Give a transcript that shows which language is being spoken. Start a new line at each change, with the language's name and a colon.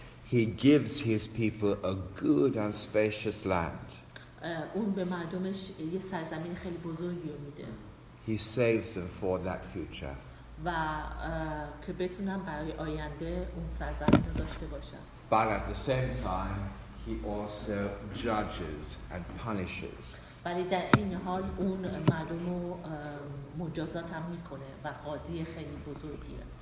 English: He gives his people a good and spacious land.
Persian: اون به مردمش یه سرزمین خیلی بزرگی رو میده.
English: He saves them for that future.
Persian: و که بتونن برای آینده اون سرزمین رو داشته باشن.
English: But at the same time, he also judges and punishes.
Persian: ولی در این حال اون مردم رو مجازات هم میکنه و قاضی خیلی بزرگیه.